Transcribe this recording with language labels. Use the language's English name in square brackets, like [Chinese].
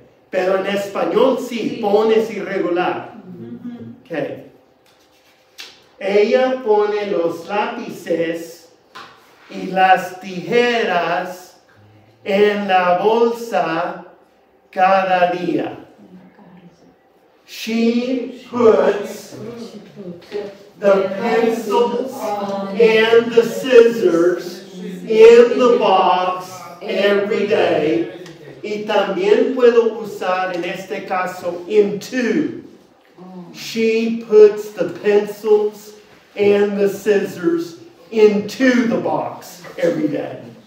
[Spanish] Pero en español sí. Pon es irregular. Ok. Ella pone los lápices y las tijeras en la bolsa cada día. [English] She puts the pencils and the scissors in the box every day. [Spanish] Y también puedo usar en este caso into. [English] She puts the pencils and the scissors into the box every day.